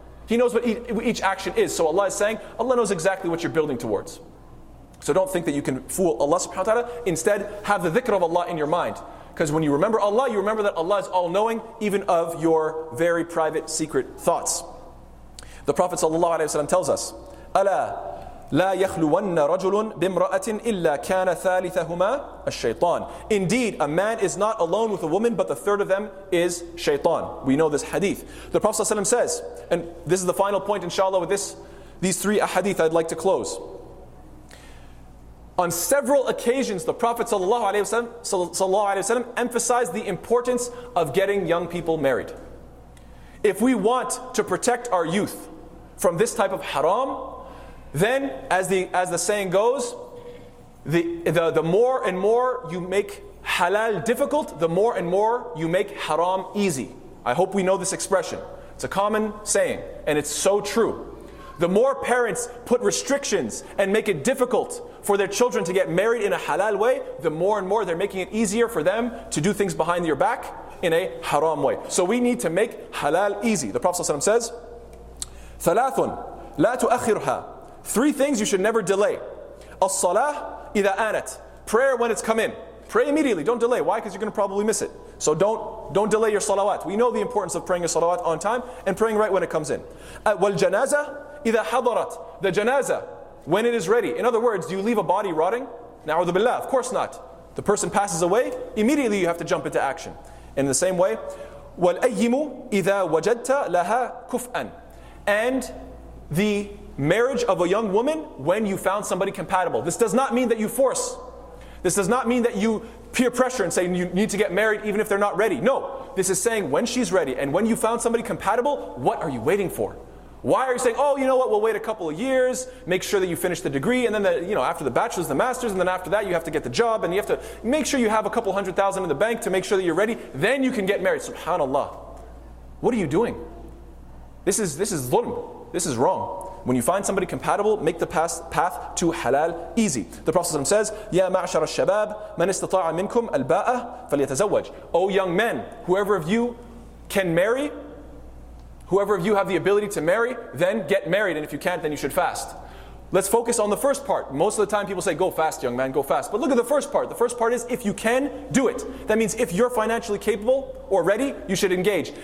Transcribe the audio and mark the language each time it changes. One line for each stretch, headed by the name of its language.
English: He knows what each action is. So Allah is saying, Allah knows exactly what you're building towards. So don't think that you can fool Allah subhanahu wa ta'ala. Instead, have the dhikr of Allah in your mind. Because when you remember Allah, you remember that Allah is all-knowing, even of your very private, secret thoughts. The Prophet sallallahu alayhi wa sallam tells us,
Arabic: أَلَا لَا يَخْلُوَنَّ رَجُلٌ بِمْرَأَةٍ إِلَّا كَانَ ثَالِثَهُمَا الشَّيْطَانِ.
English: Indeed, a man is not alone with a woman, but the third of them is shaitan. We know this hadith. The Prophet sallallahu alayhi wa sallam says, and this is the final point, inshallah, with these three ahadith I'd like to close. On several occasions, the Prophet ﷺ emphasized the importance of getting young people married. If we want to protect our youth from this type of haram, then as the saying goes, the more and more you make halal difficult, the more and more you make haram easy. I hope we know this expression. It's a common saying, and it's so true. The more parents put restrictions and make it difficult for their children to get married in a halal way, the more and more they're making it easier for them to do things behind your back in a haram way. So we need to make halal easy. The Prophet ﷺ says,
Arabic: ثَلَاثٌ لَا تُؤَخِّرْهَا.
English: Three things you should never delay.
Arabic: الصَّلَاةُ إِذَا آنَتْ.
English: Prayer when it's come in. Pray immediately, don't delay. Why? Because you're going to probably miss it. So don't delay your salawat. We know the importance of praying your salawat on time and praying right when it comes in.
Arabic: وَالْجَنَازَةَ إِذَا حَضَرَتْ.
English: The janazah, when it is ready. In other words, do you leave a body rotting? Na'udhu billah, of course not. The person passes away, immediately you have to jump into action. In the same way,
Arabic: وَالْأَيِّمُ إِذَا وَجَدْتَ لَهَا كُفْأً.
English: And the marriage of a young woman when you found somebody compatible. This does not mean that you force. This does not mean that you peer pressure and say you need to get married even if they're not ready. No, this is saying when she's ready and when you found somebody compatible, what are you waiting for? Why are you saying, oh, you know what, we'll wait a couple of years, make sure that you finish the degree, and then after the bachelor's, the master's, and then after that you have to get the job, and you have to make sure you have a couple hundred thousand in the bank to make sure that you're ready, then you can get married. Subhanallah. What are you doing? This is zulm. This is wrong. When you find somebody compatible, make the path to halal easy. The Prophet says,
Arabic: يَا مَعْشَرَ الشَّبَابِ مَنْ اسْتَطَاعَ مِنْكُمْ الْبَاءَ فَلْيَتَزَوَّجْ.
English: O young men, whoever of you can marry, whoever of you have the ability to marry, then get married, and if you can't, then you should fast. Let's focus on the first part. Most of the time people say, go fast, young man, go fast. But look at the first part. The first part is, if you can, do it. That means if you're financially capable or ready, you should engage.